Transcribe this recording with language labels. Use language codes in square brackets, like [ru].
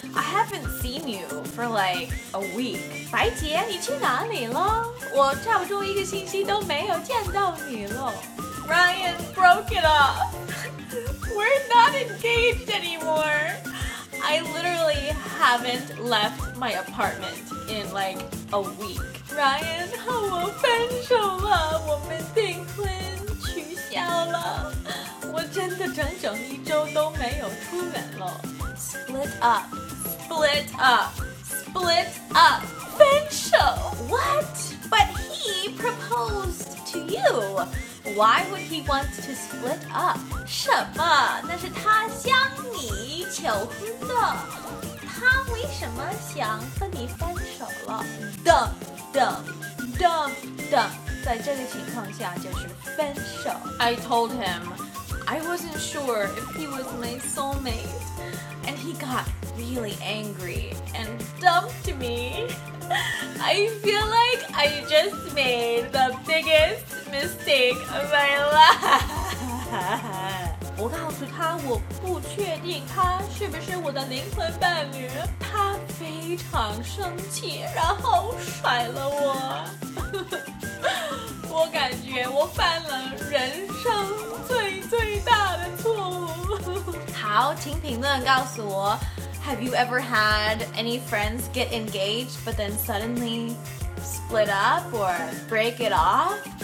[en] I haven't seen you for like a week. [zh] 白洁，你去哪里了？我差不多一个星期都没有见到你了。 [en] Ryan broke it up. We're not engaged anymore. I literally haven't left my apartment in like a week. [zh] Ryan 和我分手了，我们订婚取消了。我真的整整一周都没有出门了。 [en] Split up, split up, split up, [zh] 分手。 [en] What? But he proposed to you. Why would he want to split up? [zh] 什么？那是他向你求婚的。他为什么想和你分手了？ [en] Dump, dump, dump, dump. [zh] 在这个情况下就是分手。 [en] I told him. I wasn't sure if he was my soulmate. And he got really angry and dumped me. I feel like I just made the biggest mistake of my life. [zh] 我告诉他我不确定他是不是我的灵魂伴侣。他非常生气然后甩了我。我感觉我犯了人生最最大的错误。好，请评论告诉我 [en] Have you ever had any friends get engaged but then suddenly split up or break it off?